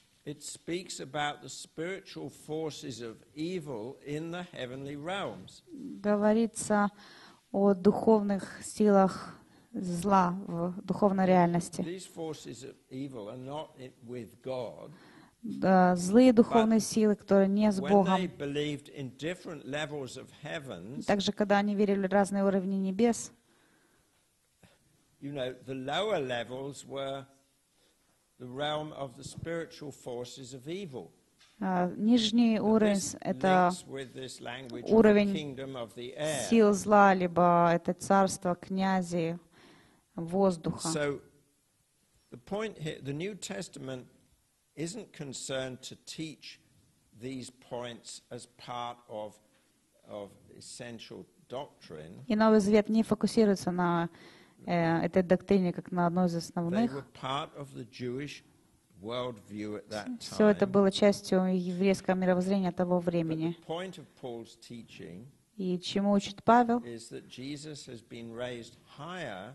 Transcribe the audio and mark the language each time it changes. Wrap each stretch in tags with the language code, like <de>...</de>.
<en>It speaks about the spiritual forces of evil in the heavenly realms.</en> <ru>Говорится о духовных силах зла в духовной реальности.</ru> <en>These forces of evil are not with God.</en> <ru>Злые духовные силы, которые не с Богом.</ru> <en>When they believed in different levels of heavens.</en> <ru>Также когда они верили в разные уровни небес.</ru> <en>You know, the lower levels were the realm of the spiritual forces of evil.</en> <ru>Нижний уровень — это уровень сил зла, либо это царство, князи, воздуха.</ru> <en>So, the point here, the New Testament isn't concerned to teach these points as part of essential doctrine.</en> <ru>И Новый Завет не фокусируется на этой доктрине, как на одной из основных. Все это было частью еврейского мировоззрения того времени.</ru> <en>Point of Paul's teaching,</en> <ru>и чему учит Павел,</ru> <en>is that Jesus has been raised higher,</en>